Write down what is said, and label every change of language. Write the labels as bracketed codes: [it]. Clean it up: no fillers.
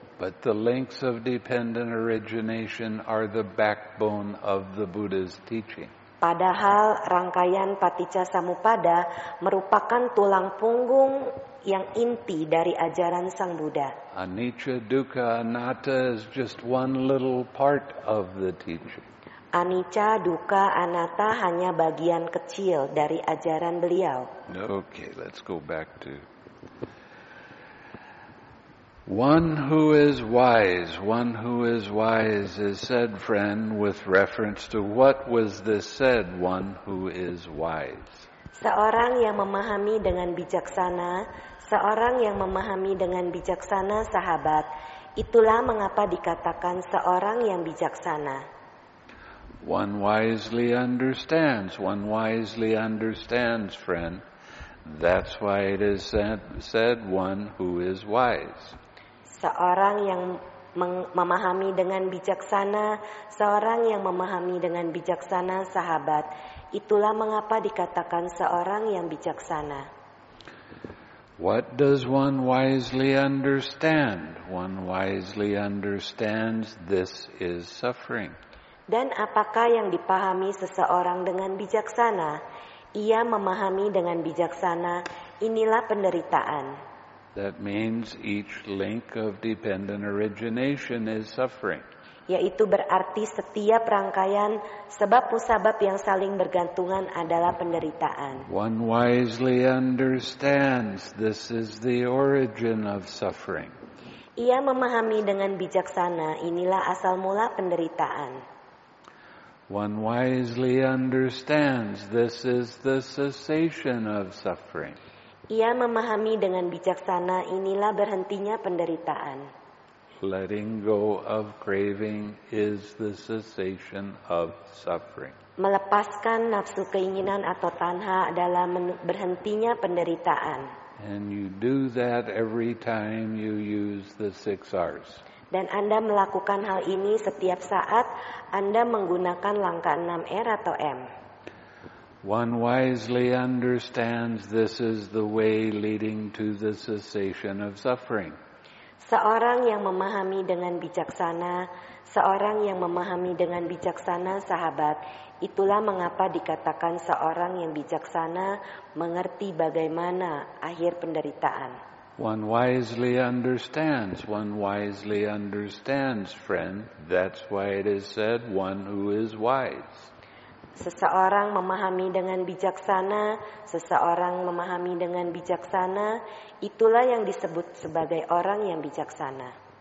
[en] But the links of dependent origination are the backbone of the Buddha's teaching. [id] Padahal rangkaian paticca samuppada merupakan tulang punggung yang inti dari ajaran Sang Buddha. [en] Anicca dukkha anatta is just one little part of the teaching. [id] Anicca dukkha anatta hanya bagian kecil dari ajaran beliau. [en] Okay, let's go back to one who is wise, one who is wise is said, friend, with reference to what was this said, one who is wise. [id] Seorang yang memahami dengan bijaksana, seorang yang memahami dengan bijaksana, sahabat, itulah mengapa dikatakan seorang yang bijaksana. [en] One wisely understands, one wisely understands, friend. That's why it is said one who is wise. [id] Seorang yang memahami dengan bijaksana, seorang yang memahami dengan bijaksana, sahabat, itulah mengapa dikatakan seorang yang bijaksana. [en] What does one wisely understand? One wisely understands this is suffering. [id] Dan apakah yang dipahami seseorang dengan bijaksana? Ia memahami dengan bijaksana, inilah penderitaan. [en] That means each link of dependent origination is suffering. [id] Yaitu berarti setiap rangkaian sebab-musabab yang saling bergantungan adalah penderitaan. [en] One wisely understands this is the origin of suffering. [id] Ia memahami dengan bijaksana inilah asal mula penderitaan. [en] One wisely understands this is the cessation of suffering. [id] Ia memahami dengan bijaksana inilah berhentinya penderitaan. [en] Letting go of craving is the cessation of suffering. [id] Melepaskan nafsu keinginan atau tanha adalah berhentinya penderitaan. [en] And you do that every time you use the six R's. [id] Dan Anda melakukan hal ini setiap saat Anda menggunakan langkah 6 R atau M. [en] One wisely understands this is the way leading to the cessation of suffering. [id] Seorang yang memahami dengan bijaksana, seorang yang memahami dengan bijaksana, sahabat, itulah mengapa dikatakan seorang yang bijaksana mengerti bagaimana akhir penderitaan. [en] One wisely understands, one wisely understands, friend. That's why it is said one who is wise. [id] Seseorang memahami dengan bijaksana, seseorang memahami dengan bijaksana, itulah yang disebut sebagai orang yang bijaksana.